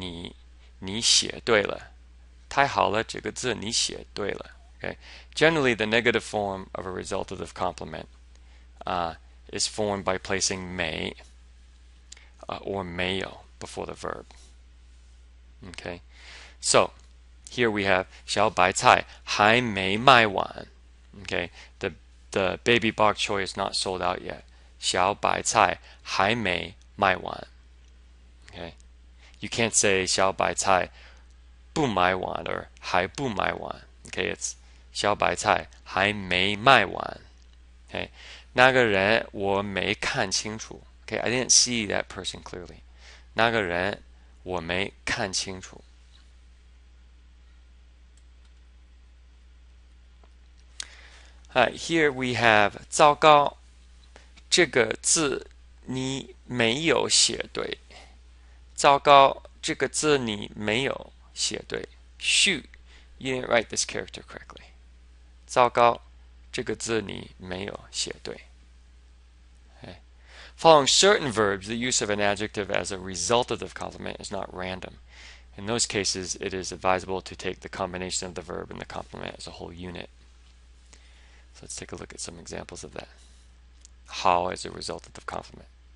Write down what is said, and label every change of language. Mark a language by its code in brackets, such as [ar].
[zh] 太好了,这个字你写对了。太好了,这个字你写对了。太好了,这个字你写对了. [en] Okay. Generally, the negative form of a resultative complement is formed by placing 没 or 没有 before the verb. Okay. So, here we have [zh] 小白菜还没卖完. [en] Okay. The baby bok choy is not sold out yet. [zh] 小白菜还没卖完.Okay. [en] You can't say [zh] 小白菜 不买完 [en] or [zh] 还不买完. Okay, it's 小白菜还没卖完. Okay, 那个人我没看清楚. [en] Okay, I didn't see that person clearly. [zh] 那个人我没看清楚. [en] Here we have [zh] 糟糕,这个字你没有写对. 糟糕,这个字你没有. 写对, [en] shoot, you didn't write this character correctly. [zh] 糟糕, 这个字你没有写对. [en] Okay. Following certain verbs, the use of an adjective as a resultative complement is not random. In those cases, it is advisable to take the combination of the verb and the complement as a whole unit. So let's take a look at some examples of that. How is a resultative complement?